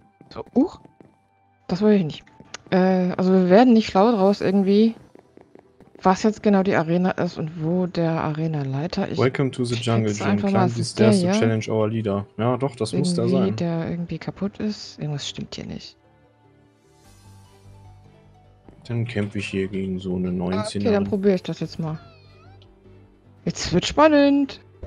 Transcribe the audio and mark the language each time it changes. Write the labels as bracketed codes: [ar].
[de] So, das wollte ich nicht. Also wir werden nicht schlau draus irgendwie, was jetzt genau die Arena ist und wo der Arena-Leiter ist. [en] Welcome to the Jungle Gym, climb the stairs to challenge our leader. [de] Ja, doch, das muss da sein. Der irgendwie kaputt ist, irgendwas stimmt hier nicht. Dann kämpfe ich hier gegen so eine 19. Okay, dann probiere ich das jetzt mal. Jetzt wird spannend.